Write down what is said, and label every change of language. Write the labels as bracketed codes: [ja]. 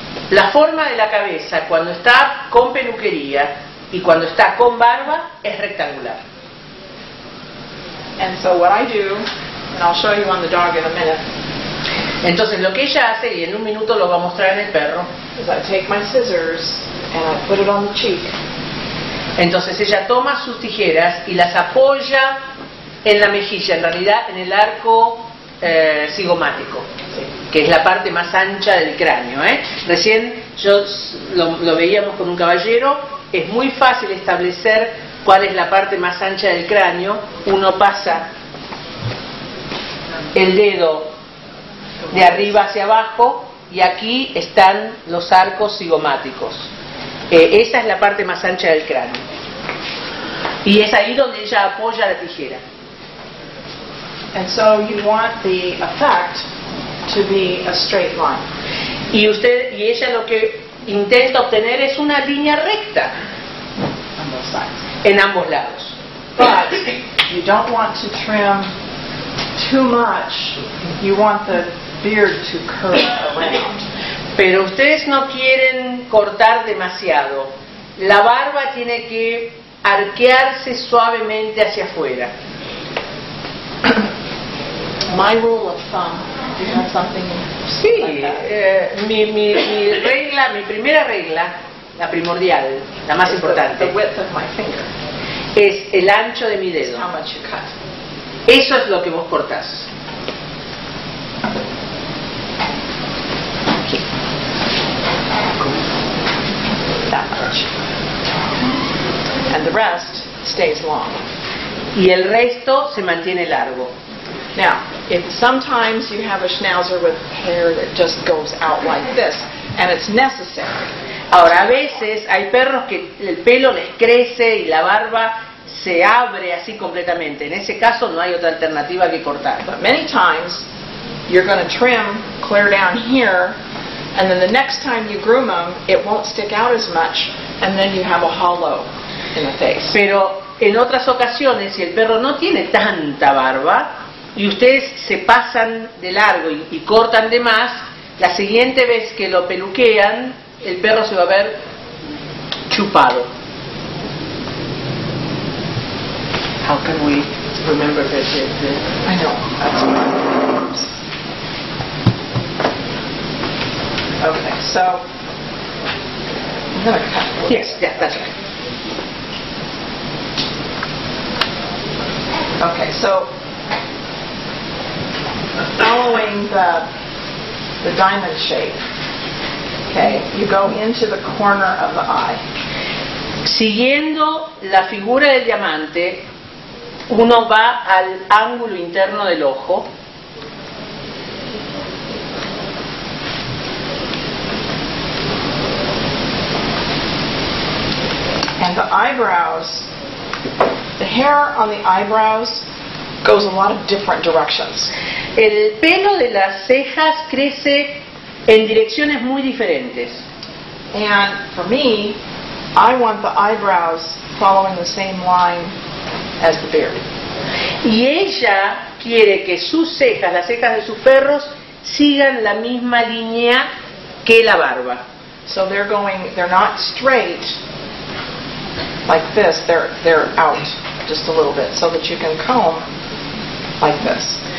[es] La forma de la cabeza cuando está con peluquería y cuando está con barba es rectangular. [en] And so what I do, and I'll show you on the dog in a minute. [es] Entonces lo que ella hace, y en un minuto lo va a mostrar en el perro. [en] I take my scissors and I put it on the cheek. [es] Entonces ella toma sus tijeras y las apoya en la mejilla, en realidad en el arco cigomático, que es la parte más ancha del cráneo, Recién yo lo veíamos con un caballero, es muy fácil establecer cuál es la parte más ancha del cráneo. Uno pasa el dedo de arriba hacia abajo y aquí están los arcos cigomáticos. Esa es la parte más ancha del cráneo. Y es ahí donde ella apoya la tijera. [en] And so you want the effect to be a straight line. [es] Y ella lo que intenta obtener es una línea recta. [en] On both sides. [es] En ambos lados. [en] But you don't want to trim too much. You want the beard to curve around. [es] Pero ustedes no quieren cortar demasiado. La barba tiene que arquearse suavemente hacia afuera. [en] My rule of thumb. Do you have something? [es] Sí, mi regla, mi primera regla, la primordial, la más importante. [en] The width of my finger. [es] Es el ancho de mi dedo. [en] How much you cut. [es] Eso es lo que vos cortás. [en] That much. And the rest stays long. [es] Y el resto se mantiene largo. [en] Now, if sometimes you have a schnauzer with hair that just goes out like this, and it's necessary. [es] Ahora, a veces hay perros que el pelo les crece y la barba se abre así completamente. En ese caso no hay otra alternativa que cortar. [en] But many times you're going to trim clear down here, and then the next time you groom them, it won't stick out as much, and then you have a hollow in the face. [es] Pero en otras ocasiones, si el perro no tiene tanta barba y ustedes se pasan de largo y cortan de más, la siguiente vez que lo peluquean, el perro se va a ver chupado. [en] How can we remember that? I know. Okay, so. Yes, yeah, that's right. Okay, so following the diamond shape, okay, you go into the corner of the eye. [es] Siguiendo la figura del diamante, uno va al ángulo interno del ojo. [en] And the eyebrows, the hair on the eyebrows goes a lot of different directions. [es] El pelo de las cejas crece en direcciones muy diferentes. [en] And for me, I want the eyebrows following the same line as the beard. [es] Y ella quiere que sus cejas, las cejas de sus perros, sigan la misma línea que la barba. [en] So they're going, they're not straight like this, they're out just a little bit, so that you can comb like this.